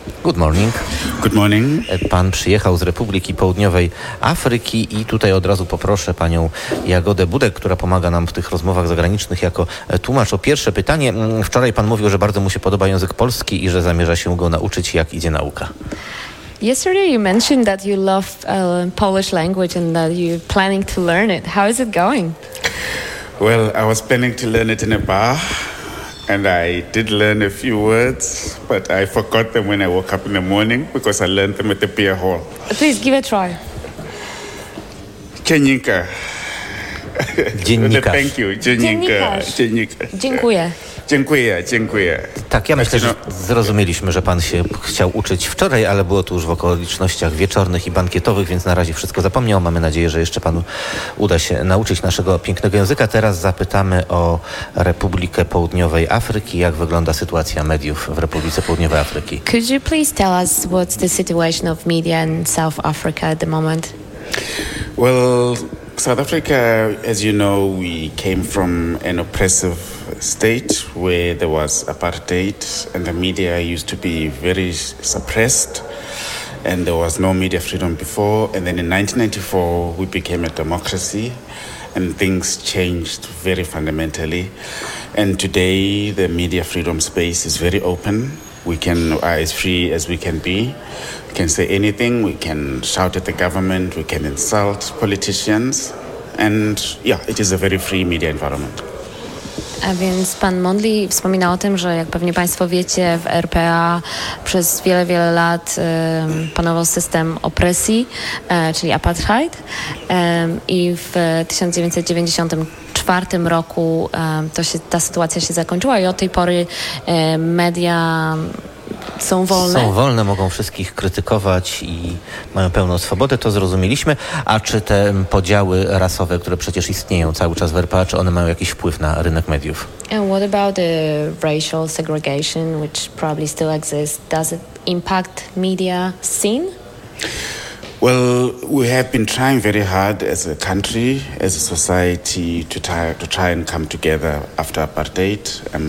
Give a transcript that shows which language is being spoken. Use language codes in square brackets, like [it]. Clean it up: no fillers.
[en] Good morning. Good morning. [pl] Pan przyjechał z Republiki Południowej Afryki i tutaj od razu poproszę panią Jagodę Budek, która pomaga nam w tych rozmowach zagranicznych jako tłumacz. O pierwsze pytanie. Wczoraj pan mówił, że bardzo mu się podoba język polski i że zamierza się go nauczyć. Jak idzie nauka? [en] Yesterday you mentioned that you love Polish language and that you're planning to learn it. How is it going? Well, I was planning to learn it in a bar. And I did learn a few words, but I forgot them when I woke up in the morning because I learned them at the beer hall. Please give it a try. [pl] Dziennika. Dziennikarz. [en] Thank you. Dziennika. [pl] Dziennikarz. Dziękuję. Dziękuję, dziękuję. Tak, ja myślę, że zrozumieliśmy, że pan się chciał uczyć wczoraj, ale było to już w okolicznościach wieczornych i bankietowych, więc na razie wszystko zapomniał. Mamy nadzieję, że jeszcze panu uda się nauczyć naszego pięknego języka. Teraz zapytamy o Republikę Południowej Afryki. Jak wygląda sytuacja mediów w Republice Południowej Afryki? [en] Could you please tell us what's the situation of media in South Africa at the moment? Well, South Africa, as you know, we came from an oppressive state where there was apartheid and the media used to be very suppressed and there was no media freedom before. And then in 1994 we became a democracy and things changed very fundamentally. And today the media freedom space is very open. We can as free as we can be. We can say anything, we can shout at the government, we can insult politicians, and yeah, it is a very free media environment. [pl] A więc pan Monli wspomina o tym, że jak pewnie państwo wiecie, w RPA przez wiele, wiele lat panował system opresji, czyli apartheid. I w 1994 roku ta sytuacja się zakończyła i od tej pory media są wolne. Są wolne, mogą wszystkich krytykować i mają pełną swobodę, to zrozumieliśmy. A czy te podziały rasowe, które przecież istnieją cały czas w RPA, czy one mają jakiś wpływ na rynek mediów? [en] And what about the racial segregation, which probably still exists? Does it impact media scene? Well, we have been trying very hard as a country, as a society, to try and come together after apartheid.